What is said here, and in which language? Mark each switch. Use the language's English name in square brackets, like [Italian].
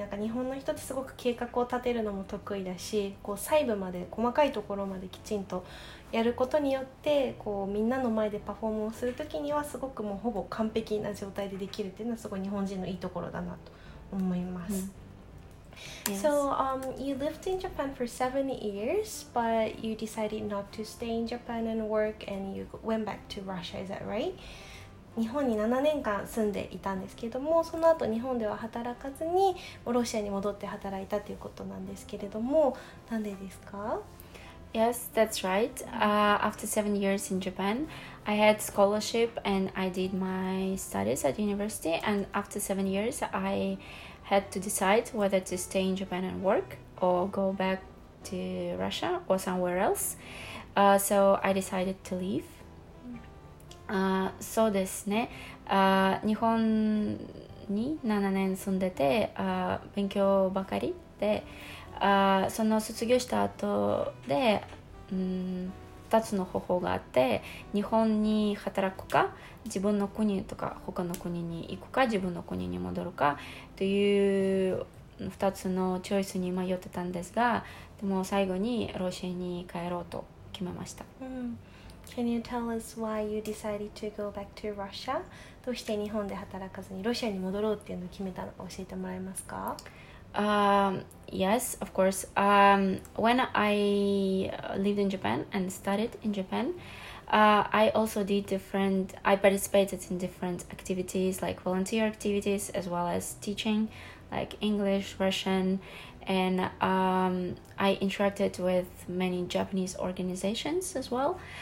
[Japanese] なんか日本の人ってすごく計画を立てるのも得意だし、こう細部まで細かいところまできちんとやることによって、こうみんなの前でパフォーマンスするときにはすごくもうほぼ完璧な状態でできるっていうのはすごい日本人のいいところだなと思います。うん、 [English] Yes. So, you lived in Japan for 7 years, but you decided not to stay in Japan and work, and you went back to Russia, is that right? [Japanese] 日本に7年間住んでいたんですけども、その後日本では働かずにロシアに戻って働いたということなんですけれども、なんでですか? [English] Yes, that's right. After 7 years in Japan, I had scholarship and I did my studies at university, and after 7 years, I... had to decide whether to stay in Japan and work or go back to Russia or somewhere else. So I decided to leave. [Japanese] そうですね。日本に7年住んでて、勉強ばかりで、その卒業した後で、2つの方法があって、日本に働くか自分の国とか他の国に行くか自分の国に戻るかという2つのチョイスに迷ってたんですが、でも最後にロシアに帰ろうと決めました、 mm. [English] Can you tell us why you decided to go back to Russia? [Japanese] どうして日本で働かずにロシアに戻ろうっていうのを決めたの、教えてもらえますか？ [English] Yes, of course. When I lived in Japan and studied in Japan, I also did different, I participated in different activities like volunteer activities as well as teaching like English, Russian, and I interacted with many Japanese organizations as well.